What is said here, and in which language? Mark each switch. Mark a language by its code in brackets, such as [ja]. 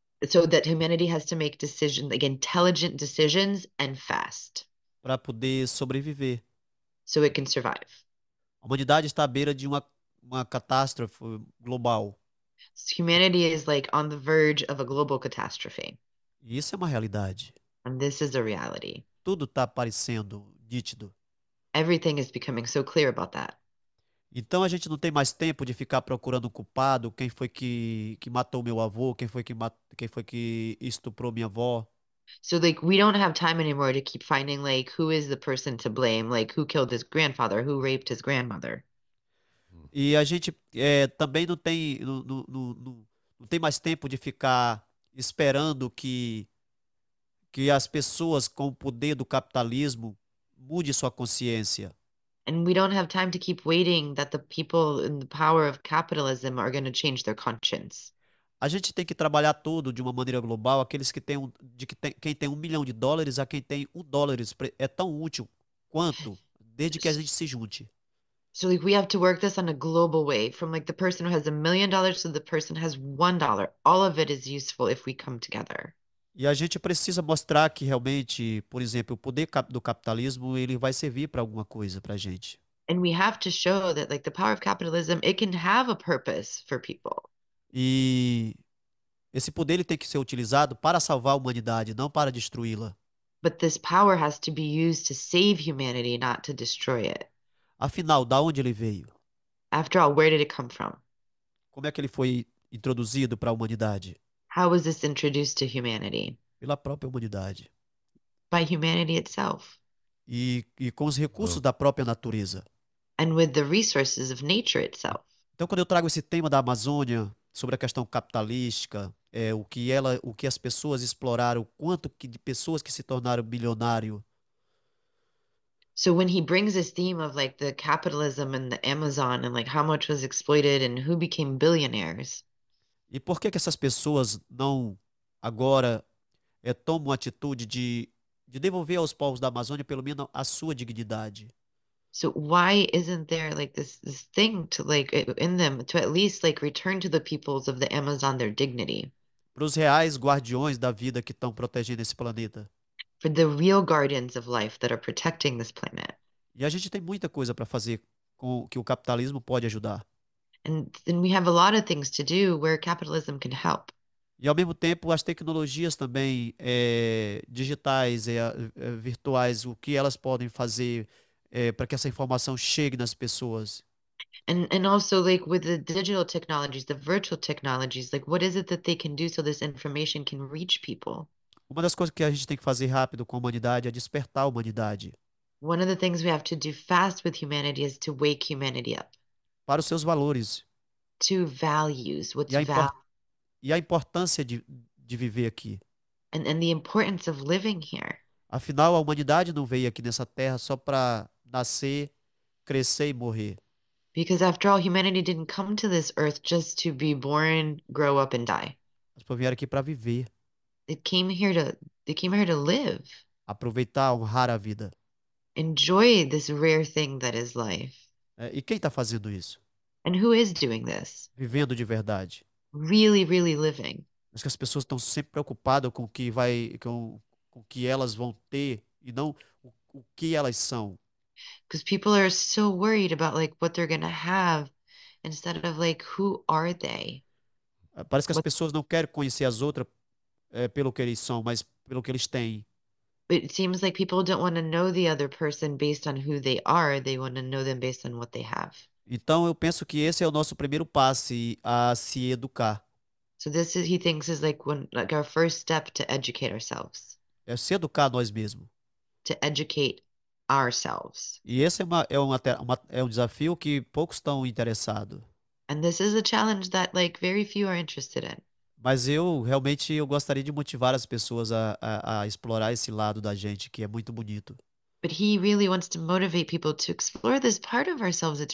[en] so that humanity has to make decisions like intelligent decisions and fast [pt] Para poder sobreviver. [en] so it can survive. [pt] A humanidade está à beira de uma catástrofe global. [en] So humanity is like on the verge of a global catastrophe. [pt] E isso é uma realidade. [en] And this is a reality. [pt] Tudo está aparecendo nítido. [en] Everything is becoming so clear about that. [pt] Então a gente não tem mais tempo de ficar procurando culpado, quem foi que matou meu avô, quem foi que estuprou minha avó. [en] So like we don't have time anymore to keep finding like who is the person to blame, like who killed his grandfather, who raped his grandmother. [pt] E a gente também não tem, não tem mais tempo de ficar esperando que as pessoas com o poder do capitalismo mude sua consciência. [en] And we don't have time to keep waiting that the people in the power of capitalism are going to change their conscience. [pt] A gente tem que trabalhar tudo de uma maneira global, aqueles que tem um, de que tem, quem tem 1 milhão de dólares a quem tem 1 dólar é tão útil quanto, desde que a gente se junte. [en] So, like, we have to work this on a global way, from like the person who has $1 million to the person who has $1. All of it is useful if we come together. [pt] E a gente precisa mostrar que realmente, por exemplo, o poder do capitalismo, ele vai servir para alguma coisa para a gente. [en] And we have to show that, like, the power of capitalism, it can have a purpose for people. [pt] E esse poder, ele tem que ser utilizado para salvar a humanidade, não para destruí-la. [en] But this power has to be used to save humanity, not to destroy it. [pt] Afinal, da onde ele veio? [en] After all, where did it come from? [pt] Como é que ele foi introduzido para a humanidade? [en] How was this introduced to humanity? [pt] Pela própria humanidade. [en] By humanity itself. [pt] E com os recursos [en] Wow. [pt] da própria natureza. [en] And with the resources of nature itself. [pt] Então, quando eu trago esse tema da Amazônia, sobre a questão capitalística, o que as pessoas exploraram, o quanto que de pessoas que se tornaram bilionário. [en] So when he brings this theme of like the capitalism and the Amazon and like how much was exploited and who became billionaires. [pt] E por que que essas pessoas não agora tomam a atitude de devolver aos povos da Amazônia pelo menos a sua dignidade? [en] So why isn't there like this thing to like in them to at least like return to the peoples of the Amazon their dignity? [pt] Para os reais guardiões da vida que estão protegendo esse planeta. [en] For the real guardians of life that are protecting this planet. [pt] E a gente tem muita coisa para fazer com que o capitalismo pode ajudar. [en] And we have a lot of things to do where capitalism can help. [pt] E ao mesmo tempo, as tecnologias também digitais e virtuais, o que elas podem fazer para que essa informação chegue nas pessoas? [en] And also, like with the digital technologies, the virtual technologies, like what is it that they can do so this information can reach people? [pt] Uma das coisas que a gente tem que fazer rápido com a humanidade é despertar a humanidade [en] One of the things we have to do fast with humanity is to wake humanity up. [pt] para os seus valores [en] To values, [pt] e [en] what's value. [pt] a importância de viver aqui. [en] And the importance of living here. [pt] Afinal, a humanidade não veio aqui nessa terra só para nascer, crescer e morrer. [en] Because after all, humanity didn't come to this earth just to be born, grow up and die. [pt] As pessoas vieram aqui para viver. [en] They came here to live. [pt] Aproveitar, honrar a vida. [en] Enjoy this rare thing that is life. [pt] E quem está fazendo isso? [en] And who is doing this? [pt] Vivendo de verdade. [en] Really, really living. [pt] Acho que as pessoas estão sempre preocupadas com o que vai, com o que elas vão ter e não o que elas são. [en] Because people are so worried about like what they're gonna have instead of like who are they? [pt] Parece que as pessoas não querem conhecer as outras, pelo que eles são, mas pelo que eles têm. [en] It seems like people don't want to know the other person based on who they are, they want to know them based on what they have. [pt] Então, eu penso que esse é o nosso primeiro passo a se educar. [en] So this is, he thinks is like when like our first step to educate ourselves. [pt] É se educar nós mesmos. [en] To educate ourselves. [pt] E esse é um desafio que poucos estão interessados. [en] And this is a challenge that like very few are interested in. [pt] Mas eu gostaria de motivar as pessoas a explorar esse lado da gente, que é muito bonito. [en] But he really wants to motivate people to explore this part of ourselves.